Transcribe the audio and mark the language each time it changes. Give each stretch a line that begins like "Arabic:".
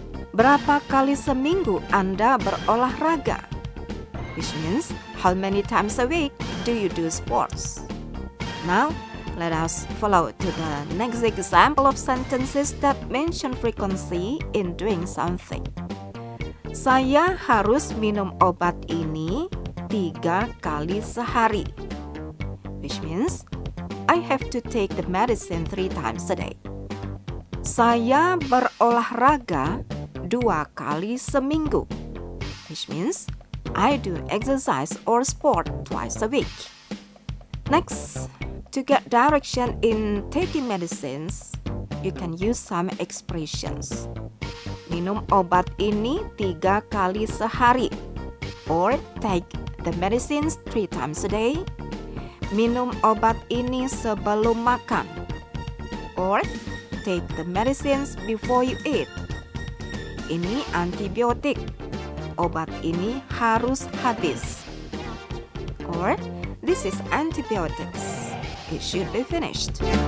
Indonesian: Berapa kali seminggu Anda berolahraga?
English: Which means, how many times a week do you do sports? Now, let us follow to the next example of sentences that mention frequency in doing something.
Indonesian: Saya harus minum obat ini 3 kali sehari.
English: Which means, I have to take the medicine 3 times a day.
Indonesian: Saya berolahraga 2 kali seminggu.
English: Which means, I do exercise or sport 2 times a week. Next, to get direction in taking medicines, you can use some expressions.
Indonesian: Minum obat ini 3 kali sehari.
English: Or take the medicines 3 times a day.
Indonesian: Minum obat ini sebelum makan.
English: Or take the medicines before you eat.
Indonesian: Ini antibiotik. Obat ini harus habis.
English: Or this is antibiotics. It should be finished.